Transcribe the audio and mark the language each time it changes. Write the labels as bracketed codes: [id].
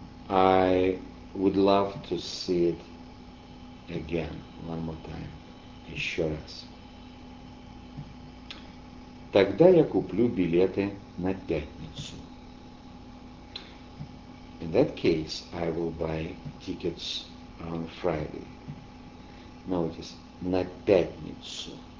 [en] I would love to see it again, one more time. [ru] Еще раз. Тогда я куплю билеты на пятницу. [en] In that case, I will buy tickets on Friday. Notice, [ru] на пятницу.